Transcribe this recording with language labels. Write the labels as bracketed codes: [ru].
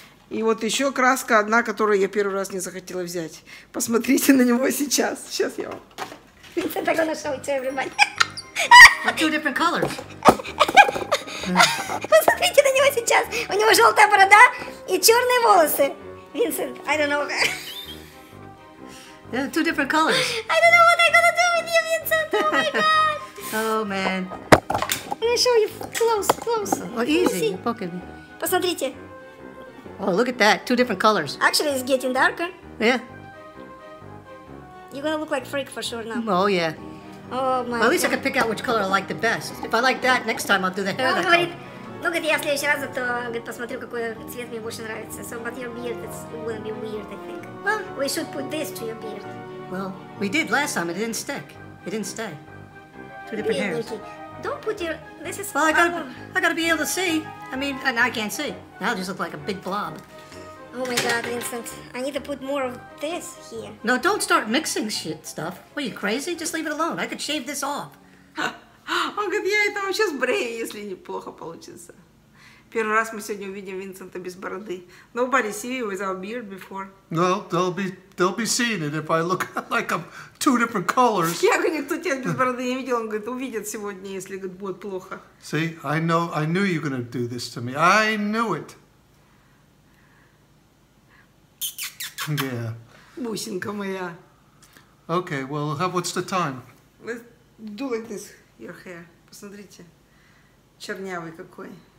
[ru] И вот еще краска одна, которую я первый раз не захотела взять. Посмотрите на него сейчас. Сейчас я вам... [en] Vincent, I'm gonna show it to everybody. What two different colors? [ru] Посмотрите на него сейчас. У него желтая борода и черные волосы. [en] Vincent, I don't know. Yeah, two different colors. I don't know what I'm gonna do with you, Vincent. Oh my God. Oh man. I'm gonna show you close. Oh, easy. Poke me. [ru] Посмотрите. [en] Oh, look at that. Two different colors. Actually, it's getting darker. Yeah. You're gonna look like freak for sure now. Oh yeah. Oh my Well, at least I can pick out which color I like the best. If I like that, next time I'll do the hair that color. [ru] Ну, говорит, я в следующий раз, то, говорит, посмотрю, какой цвет мне больше нравится. [en] So, but your beard, it's gonna be weird, I think. Well, we should put this to your beard. Well, we did last time, it didn't stick. It didn't stay. Two different hairs. [ru] Бедненький. [en] Don't put your... This is... Well, I gotta be able to see. I mean, and I can't see. Now I just look like a big blob. Oh my God, Vincent. I need to put more of this here. No, don't start mixing shit stuff. What, are you crazy? Just leave it alone. I could shave this off. [ru] Он говорит, я это вообще сбрею, если неплохо получится. Первый раз мы сегодня увидим Винсента без бороды. [en] Nobody see you without beard before. No, they'll be seeing it if I look like I'm two different colors. [ru] Я говорю, никто тебя без бороды не видел. Он говорит, увидят сегодня, если будет плохо. [en] See, I know, I knew you were gonna do this to me. I knew it. Yeah. [ru] Бусинка моя. [en] Okay, well, what's the time? Let's do like this. Your hair. [ru] Посмотрите. Чернявый какой.